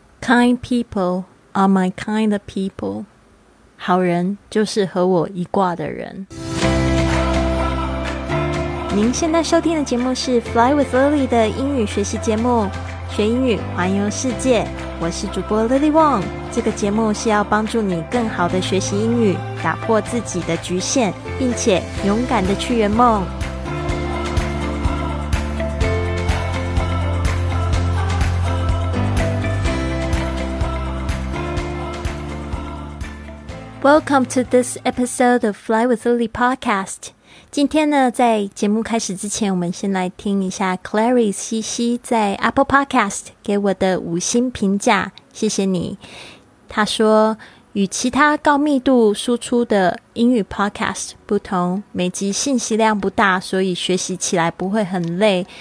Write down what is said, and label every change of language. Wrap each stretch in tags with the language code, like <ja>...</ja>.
<en>Kind people are my kind of people.</en> <zh>好人就是和我一挂的人。您现在收听的节目是 Fly with Lily 的英语学习节目，学英语环游世界。我是主播 Lily Wong。这个节目是要帮助你更好的学习英语，打破自己的局限，并且勇敢的去圆梦。</zh> <en>Welcome to this episode of Fly with Lily podcast.</en> <zh>今天呢，在节目开始之前，我们先来听一下 Clary 西西在 Apple Podcast 给我的五星评价，谢谢你。他说，与其他高密度输出的英语 podcast 不同，每集信息量不大，所以学习起来不会很累。</zh>